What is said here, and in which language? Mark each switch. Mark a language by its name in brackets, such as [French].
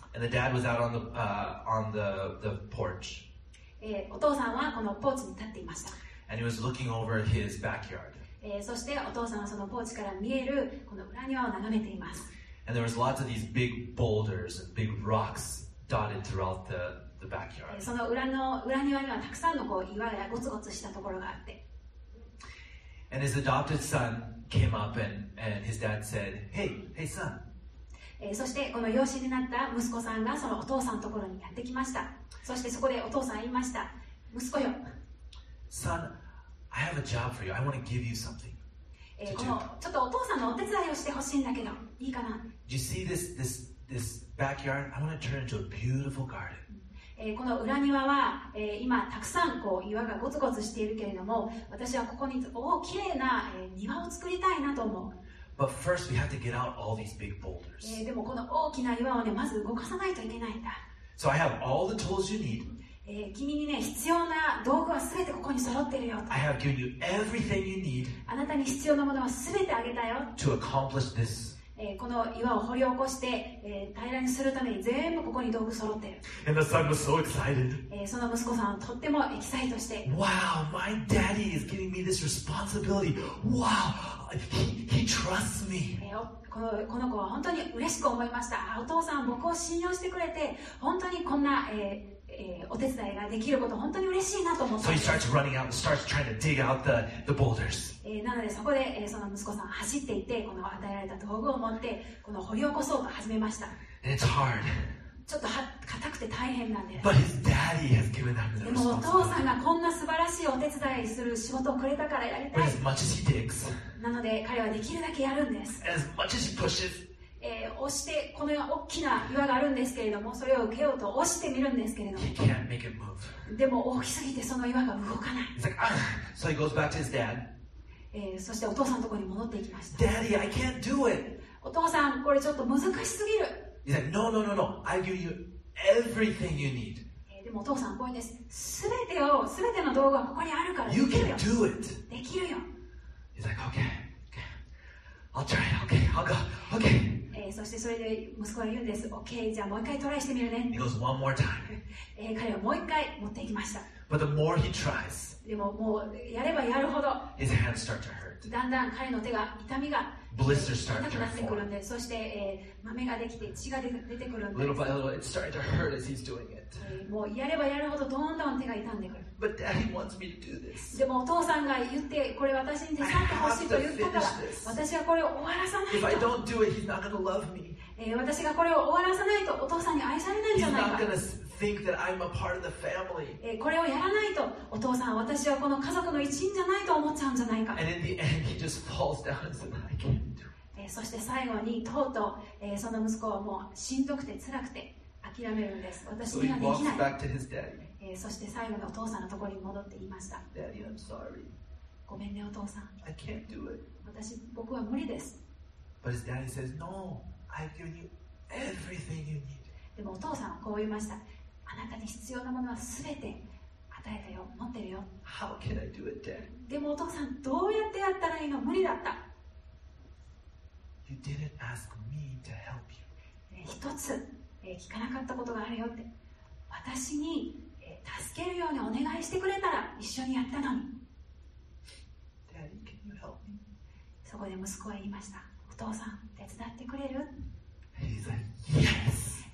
[English] And the dad was out on the porch. [Japanese] お父さんはこのポーチに立っていました。 [English] And he was looking over his backyard. [Japanese] そしてお父さんはそのポーチから見えるこの裏庭を眺めています。 [English] And there was lots of these big boulders, big rocks dotted throughout the backyard. [Japanese] その裏庭にはたくさんのこう岩やゴツゴツしたところがあって。 [English] And his adopted son came up and his dad said, Hey, son. [Japanese] そしてこの養子になった息子さんがそのお父さんのところにやってきました。そしてそこでお父さん言いました。息子よ。 [English] Son, I have a job for you. I want to give you something. [Japanese] このちょっとお父さんのお手伝いをしてほしいんだけど、いいかな。 [English] Do you see this backyard? I want to turn into a beautiful garden. [Japanese] この裏庭は今たくさんこう岩がゴツゴツしているけれども、私はここに綺麗な庭を作りたいなと思う。 [English] But first, we have to get out all these big boulders. [Japanese] でもこの大きな岩をねまず動かさないといけないんだ。 [English] So I have all the tools you need. [Japanese] 君にね必要な道具はすべてここに揃ってるよと。 [English] I have given you everything you need. [Japanese] あなたに必要なものはすべてあげたよ。 [English] To accomplish this. [Japanese] この岩を掘り起こして平らにするために全部ここに道具揃ってる。 [English] And the son was so excited. [Japanese] その息子さんはとってもエキサイトして。 [English] Wow, my daddy is giving me this responsibility. Wow. He trusts me. [Japanese] この子は本当に嬉しく思いました。お父さん、僕を信用してくれて、本当にこんな、お手伝いができること、本当に嬉しいなと思った。 [English] So he starts running out and starts trying to dig out the boulders. [Japanese] なのでそこで、その息子さん走っていって、この与えられた道具を持って、この掘り起こそうと始めました。 [English] And it's hard. [Japanese] ちょっと硬くて大変なんで。 [English] But his daddy has given him the responsibility. [Japanese] でもお父さんがこんな素晴らしいお手伝いする仕事をくれたからやりたい。 [English] But as much as he digs. [Japanese] なので彼はできるだけやるんです。 [English] As much as he pushes, [Japanese] 押してこのような大きな岩があるんですけれどもそれを受けようと押してみるんですけれども [English] He can't make it move. [Japanese] でも大きすぎてその岩が動かない like,、ah. [English] So he goes back to his dad. [Japanese] そしてお父さんのところに戻っていきました [English] Daddy, I can't do it. [Japanese] お父さんこれちょっと難しすぎる [English] He's like, no, no, no, no. I give you everything you need. [Japanese] でもお父さんこういうんです全てを全ての道具はここにあるからできるよ [English] You can do it. [Japanese] できるよ [English] He's like, okay, okay. I'll try it. Okay, I'll go. Okay. [Japanese] そしてそれで息子が言うんです。OK、じゃあもう一回トライしてみるね。 [English] He goes one more time. [Japanese] 彼はもう一回持っていきました。 [English] But the more he tries, [Japanese] でももうやればやるほど、 [English] his hands start to hurt. [Japanese] だんだん彼の手が痛みが [English] blisters start to form. [Japanese] なってくるんで、そして、豆ができて血が出てくるんで。 [English] Little by little, it's starting to hurt as he's doing it. [Japanese] もうやればやるほどどんどん手が痛んでくる。 [English] But daddy wants me to do this. [Japanese] でもお父さんが言ってこれ私に手伝ってほしいと言ったから私はこれを終わらさないと [English] If I don't do it, he's not gonna love me. [Japanese] 私がこれを終わらさないとお父さんに愛されないんじゃないか [English] He's not gonna think that I'm a part of the family. [Japanese] これをやらないとお父さん私はこの家族の一員じゃないと思っちゃうんじゃないか [English] And in the end, he just falls down and says, I can't do it. [Japanese] そして最後にとうとう、その息子はもうしんどくて辛くて諦めるんです私にはできない [English] So he walks back to his daddy. [Japanese] そして最後にお父さんのところに戻って言いました [English] Daddy, I'm sorry. [Japanese] ごめんねお父さん [English] I can't do it. [Japanese] 私僕は無理です [English] But his daddy says, no, I've given you everything you need. [Japanese] でもお父さんはこう言いましたあなたに必要なものは全て与えたよ持ってるよ [English] How can I do it, Dad? [Japanese] でもお父さんどうやってやったらいいの無理だった [English] You didn't ask me to help you. [Japanese] 一つ聞かなかったことがあるよって私に助けるようにお願いしてくれたら一緒にやったのに [English] Daddy, can you help me? [Japanese] そこで息子は言いましたお父さん手伝ってくれる [English] He's like, yes!